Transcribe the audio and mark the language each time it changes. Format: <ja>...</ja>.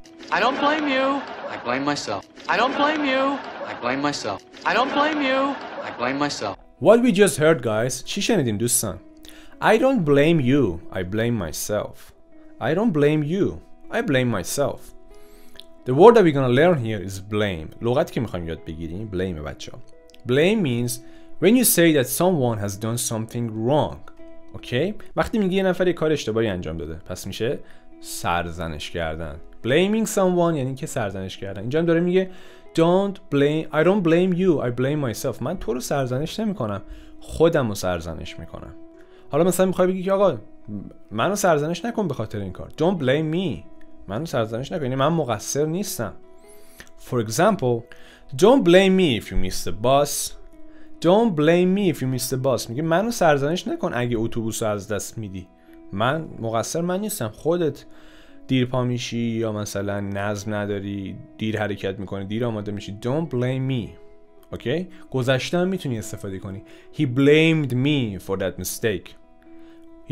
<en>I don't blame you. I blame myself. I don't blame you. I blame myself. I don't blame you. I blame myself. What we just heard, guys.</en> <fa>چی شنیدیم دوستان؟</fa> <en>I don't blame you. I blame myself. I don't blame you. I blame myself. The word that we're gonna learn here is blame.</en> <fa>لغت که میخوایم یاد بگیریم blame بچه.</fa> <en>Blame means when you say that someone has done something wrong. Okay?</en> <fa>وقتی میگی یه نفر یه کار اشتباهی انجام داده، پس میشه سرزنش کردن. Blaming someone یعنی که سرزنش کردن. اینجا هم داره میگه</fa> <en>don't blame, I don't blame you, I blame myself.</en> <fa>من تو رو سرزنش نمی کنم، خودم رو سرزنش می کنم. حالا مثلا میخوای بگی که آقا منو سرزنش نکن به خاطر این کار.</fa> <en>Don't blame me.</en> <fa>منو سرزنش نکن، یعنی من مقصر نیستم.</fa> <en>For example, don't blame me if you miss the bus. Don't blame me if you miss the bus.</en> <fa>میگه منو سرزنش نکن اگه اتوبوس رو از دست میدی. من مقصر من نیستم، خودت دیر پا میشی یا مثلا نظم نداری، دیر حرکت میکنی، دیر آماده میشی.</fa> <en>Don't blame me. Okay؟</en> <fa>گذشته هم میتونی استفاده کنی.</fa> <en>He blamed me for that mistake. He</en>